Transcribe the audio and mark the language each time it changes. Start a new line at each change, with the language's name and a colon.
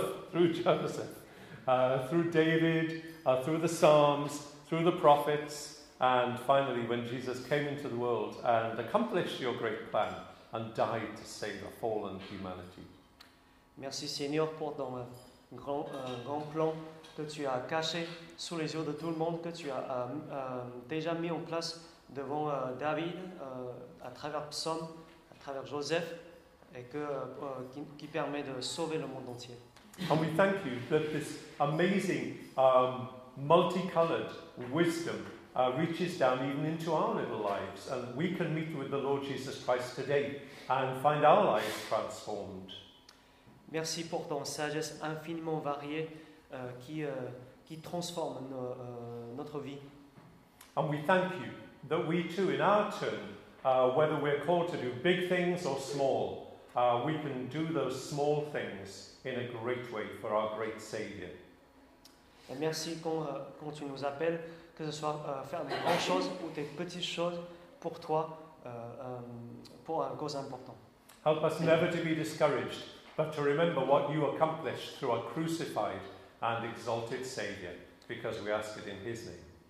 English: Through Joseph, through David, through the Psalms, through the prophets, and finally when Jesus came into the world and accomplished your great plan and died to save a fallen humanity.
French: Merci Seigneur pour ton grand plan que tu as caché sous les yeux de tout le monde, que tu as déjà mis en place devant David, à travers Psaume, à travers Joseph, et que, qui permet de sauver le monde entier.
English: And we thank you that this amazing multicolored wisdom reaches down even into our little lives, and we can meet with the Lord Jesus Christ today and find our lives transformed.
French: Merci pour ton sagesse infiniment variée qui transforme notre vie.
English: And we thank you that we too, in our turn, whether we're called to do big things or small, we can do those small things in a great way for our great Savior.
French: Et merci quand tu nous appelles, que ce soit faire des grandes choses ou des petites choses pour toi, pour une cause importante.
English: Help us never to be discouraged, but to remember what you accomplished through a crucified and exalted Savior, because we ask it in His name.